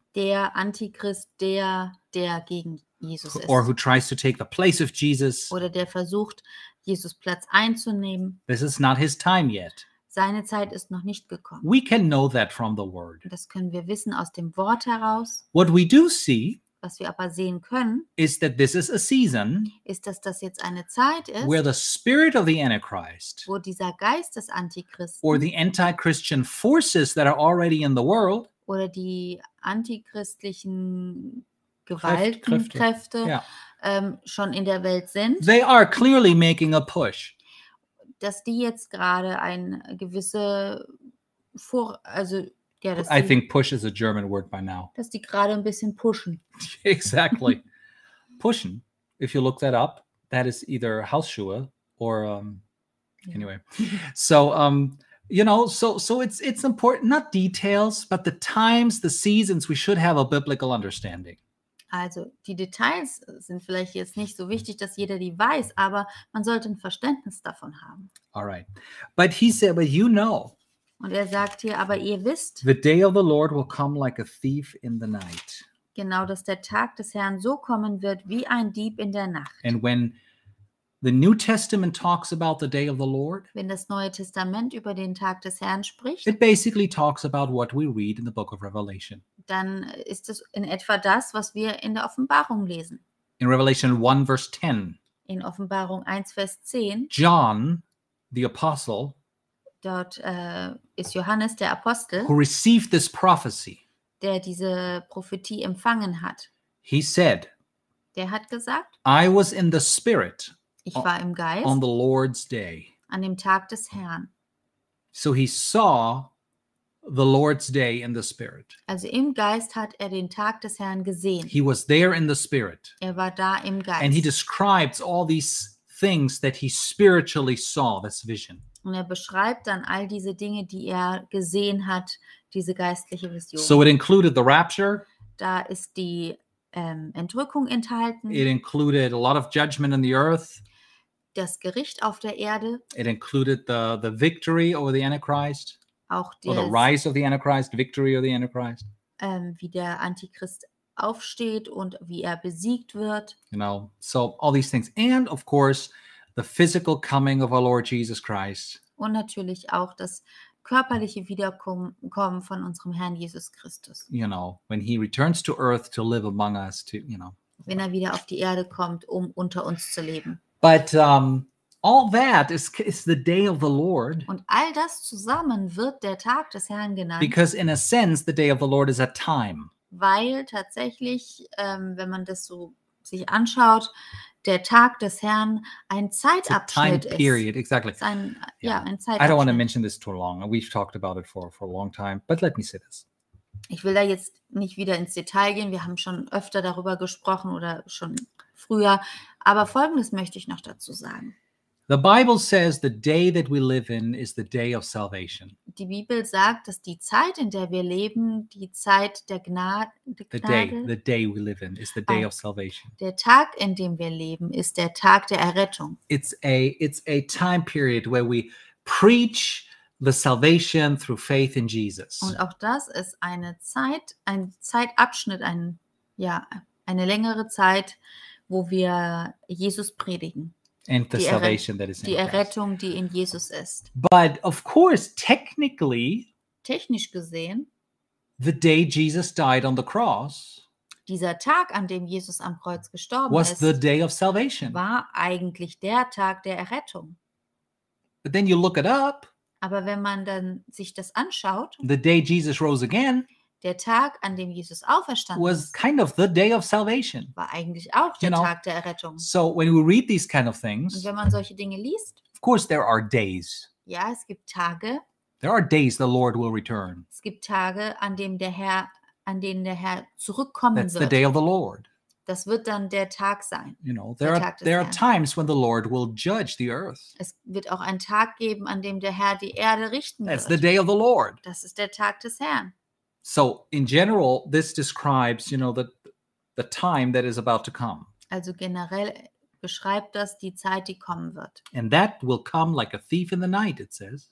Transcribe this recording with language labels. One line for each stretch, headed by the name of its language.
German: Der Antichrist, der gegen Jesus ist.
English: Or who tries to take the place of Jesus.
German: Oder der versucht, Jesus Platz einzunehmen.
English: This is not his time yet.
German: Seine Zeit ist noch nicht gekommen.
English: We can know that from the Word.
German: Das können wir wissen aus dem Wort heraus.
English: What we do see,
German: was wir aber sehen können,
English: is that this is a season,
German: ist, dass das jetzt eine Zeit ist,
English: where the spirit of the Antichrist,
German: wo dieser Geist des Antichristen,
English: or the anti-Christian forces that are already in the world,
German: oder die antichristlichen Gewaltkräfte schon in der Welt sind.
English: They are clearly making a push.
German: Dass die jetzt gerade ein gewisse Vor, also ja, dass
English: I think push is a German word by now.
German: Dass die gerade ein bisschen pushen.
English: Exactly.
German: Pushen.
English: If you look that up, that is either Hausschuhe or anyway. So you know, so it's important, not details, but the times, the seasons, we should have a biblical understanding.
German: Also die Details sind vielleicht jetzt nicht so wichtig, dass jeder die weiß, aber man sollte ein Verständnis davon haben.
English: All right. But he said, but you know.
German: Und er sagt hier, aber ihr wisst.
English: The day of the Lord will come like a thief in the night.
German: Genau, dass der Tag des Herrn so kommen wird wie ein Dieb in der Nacht.
English: And when the New Testament talks about the day of the Lord,
German: wenn das Neue Testament über den Tag des Herrn spricht,
English: it basically talks about what we read in the book of Revelation.
German: Dann ist es in etwa das, was wir in der Offenbarung lesen.
English: In Revelation 1, verse 10.
German: In Offenbarung 1, Vers 10.
English: John, the apostle.
German: Dort ist Johannes, der Apostel.
English: Who received this prophecy.
German: Der diese Prophetie empfangen hat.
English: He said.
German: Der hat gesagt.
English: I was in the spirit.
German: Ich war im Geist.
English: On the Lord's day.
German: An dem Tag des Herrn.
English: So he saw the Lord's day in the spirit.
German: Also im Geist hat er den Tag des Herrn gesehen.
English: He was there in the spirit.
German: Er war da im Geist.
English: And he describes all these things that he spiritually saw, this vision.
German: Und er beschreibt dann all diese Dinge, die er gesehen hat, diese geistliche Vision.
English: So it included the rapture.
German: Da ist die Entrückung enthalten.
English: It included a lot of judgment on the earth.
German: Das Gericht auf der Erde.
English: It included the victory over the Antichrist.
German: Auch
English: or the rise of the Antichrist, victory of the Antichrist.
German: Wie der Antichrist aufsteht und wie er besiegt wird.
English: You know, so all these things. And of course, the physical coming of our Lord Jesus Christ.
German: Und natürlich auch das körperliche Wiederkommen von unserem Herrn Jesus Christus.
English: You know, when he returns to earth to live among us, to, you know.
German: Wenn er wieder auf die Erde kommt, um unter uns zu leben.
English: But all that is the day of the Lord.
German: Und all das zusammen wird der Tag des Herrn genannt.
English: Because in a sense, the day of the Lord is a time.
German: Weil tatsächlich, wenn man das so sich anschaut, der Tag des Herrn ein Zeitabschnitt ist.
English: Period, exactly.
German: Ist ein,
English: yeah.
German: Ja, ein Zeitabschnitt.
English: I don't want to mention this too long. We've talked about it for a long time. But let me say this.
German: Ich will da jetzt nicht wieder ins Detail gehen. Wir haben schon öfter darüber gesprochen oder schon früher. Aber Folgendes möchte ich noch dazu sagen.
English: The Bible says the day that we live in is the day of salvation.
German: Die Bibel sagt, dass die Zeit, in der wir leben, die Zeit der Gnade.
English: The day we live in is the day of salvation.
German: Der Tag, in dem wir leben, ist der Tag der Errettung.
English: It's a time period where we preach the salvation through faith in Jesus.
German: Und auch das ist eine Zeit, ein Zeitabschnitt, ein ja, eine längere Zeit, wo wir Jesus predigen.
English: And the salvation that is in Christ.
German: Die Errettung, die in Jesus ist.
English: But of course, technically,
German: technisch gesehen,
English: the day Jesus died on the cross,
German: dieser Tag, an dem Jesus am Kreuz gestorben
English: was
German: ist,
English: the day of salvation.
German: War eigentlich der Tag der Errettung.
English: But then you look it up,
German: aber wenn man dann sich das anschaut,
English: the day Jesus rose again,
German: der Tag, an dem Jesus auferstanden
English: was kind of the day of salvation.
German: War eigentlich auch der,
English: you know,
German: Tag der Errettung.
English: So when we read these kind of things,
German: und wenn man solche Dinge liest,
English: of course there are days.
German: Ja, es gibt Tage.
English: There are days the Lord will return.
German: Es gibt Tage, an dem der Herr, an denen der Herr zurückkommen
English: That's
German: wird.
English: The day of the Lord.
German: Das wird dann der Tag sein.
English: You know, there are times when the Lord will judge the earth.
German: Es wird auch einen Tag geben, an dem der Herr die Erde richten
English: That's
German: wird.
English: The day of the Lord.
German: Das ist der Tag des Herrn.
English: So in general, this describes, you know, the time that is about to come.
German: Also generell beschreibt das die Zeit, die kommen wird.
English: And that will come like a thief in the night, it says.